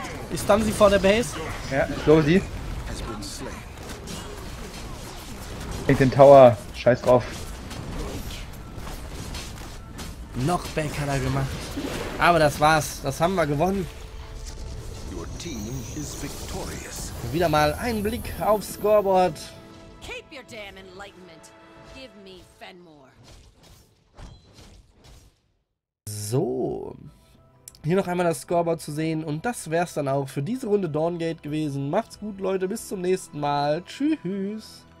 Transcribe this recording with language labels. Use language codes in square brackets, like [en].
[de] Ich stun sie vor der Base. Ja, so sie. Hängt den Tower. Scheiß drauf. Noch Back hat er gemacht. Aber das war's. Das haben wir gewonnen. [en] Your team is victorious. [de] Wieder mal ein Blick aufs Scoreboard. [en] Keep your damn enlightenment. Give me Fenmore. [de] So. Hier noch einmal das Scoreboard zu sehen und das wär's dann auch für diese Runde Dawngate gewesen. Macht's gut, Leute, bis zum nächsten Mal. Tschüss.